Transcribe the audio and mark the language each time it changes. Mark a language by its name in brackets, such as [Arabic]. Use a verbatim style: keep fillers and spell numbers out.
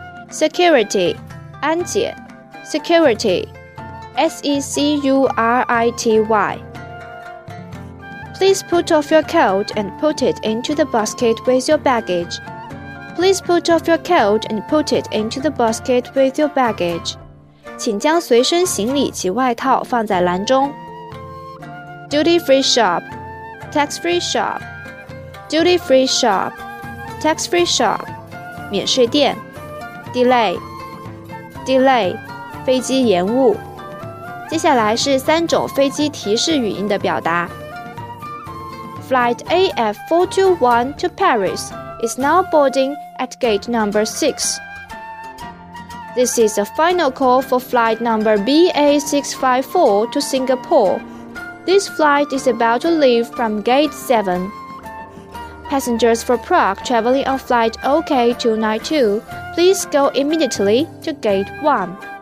[English] Security 安检 Security S E C U R I T Y Please put off your coat and put it into the basket with your baggage. Please put off your coat and put it into the basket with your baggage. [Chinese] 请将随身行李及外套放在篮中。 [English] Duty-free shop, tax-free shop, duty-free shop, tax-free shop. [Chinese] 免税店。 [English] Delay, delay, 飞机延误。 [Chinese] 接下来是三种飞机提示语音的表达。 [English] Flight A F four two one to Paris is now boarding at gate number six. This is a final call for flight number B A six five four to Singapore. This flight is about to leave from gate seven. Passengers for Prague traveling on flight O K two nine two, please go immediately to gate one.